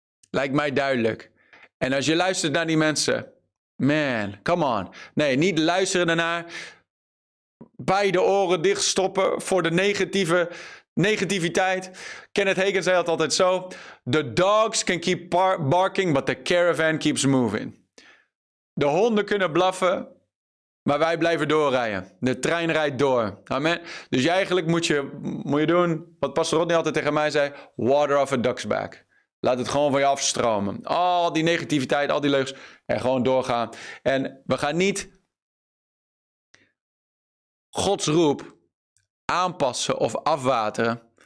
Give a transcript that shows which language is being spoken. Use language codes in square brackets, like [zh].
[nl] Lijkt mij duidelijk. En als je luistert naar die mensen, [en] man, come on. [nl] Nee, niet luisteren ernaar, beide oren dichtstoppen voor de negativiteit. Kenneth Hagin zei dat altijd zo. [en] The dogs can keep barking, but the caravan keeps moving. [nl] De honden kunnen blaffen, maar wij blijven doorrijden. De trein rijdt door. Amen. Dus eigenlijk moet je doen wat Pastor Rodney altijd tegen mij zei. [en] Water off a duck's back. [nl] Laat het gewoon van je afstromen. Al die negativiteit, al die leugens. En gewoon doorgaan. En we gaan niet Gods roep aanpassen of afwateren.